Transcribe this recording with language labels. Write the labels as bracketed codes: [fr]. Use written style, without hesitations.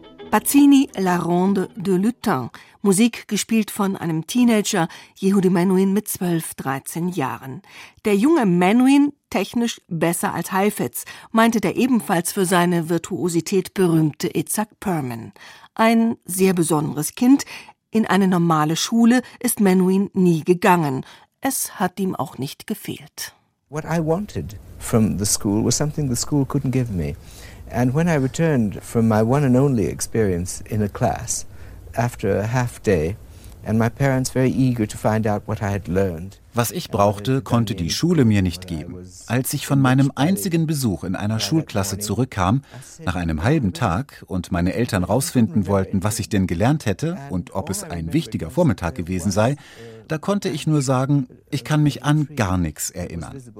[de] Bazzini, La Ronde de Lutin, Musik gespielt von einem Teenager, Yehudi Menuhin mit 12, 13 Jahren. Der junge Menuhin, technisch besser als Heifetz, meinte der ebenfalls für seine Virtuosität berühmte Itzhak Perlman. Ein sehr besonderes Kind, in eine normale Schule ist Menuhin nie gegangen. Es hat ihm auch nicht gefehlt. [en] What I wanted from the school was something the school couldn't give me. And when I returned from my one and only experience in a class, after a half day, and my parents very eager to find out what I had learned. [de] Was ich brauchte, konnte die Schule mir nicht geben. Als ich von meinem einzigen Besuch in einer Schulklasse zurückkam, nach einem halben Tag, und meine Eltern rausfinden wollten, was ich denn gelernt hätte und ob es ein wichtiger Vormittag gewesen sei, da konnte ich nur sagen, ich kann mich an gar nichts erinnern.